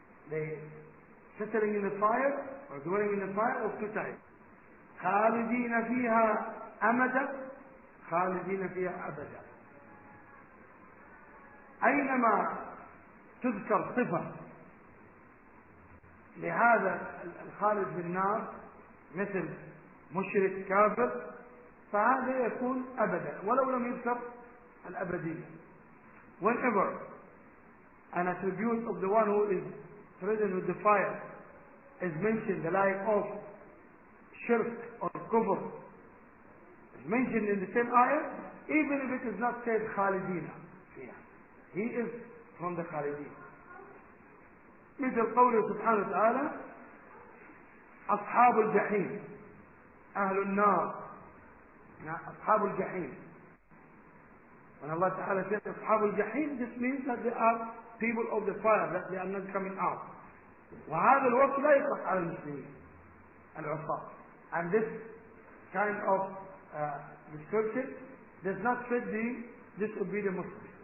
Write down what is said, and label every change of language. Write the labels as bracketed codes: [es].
[en] They settling in the fire or dwelling in the fire of two types. [ar] خالدين فيها أمدا خالدين فيها أبدا. أينما تذكر صفة لهذا الخالد بالنار مثل مشرك كافر فهذا يكون أبدا ولو لم يذكر الأبدية. [en] Whenever an attribute of the one who is threatened with the fire is mentioned, the like of shirk or kufr is mentioned in the same ayah, even if it is not said [ar] خالدين فيها, [en] he is from the خالدين. [ar] مثل قوله سبحانه وتعالى أصحاب الجحيم أهل النار. أصحاب الجحيم. [en] When Allah تعالى says [ar] أصحاب الجحيم, [en] this means that they are people of the fire, that they are not coming out. [ar] وهذا الوصف لا يطلق على المسلمين العصاة. [en] And this kind of description does not fit the disobedient Muslim.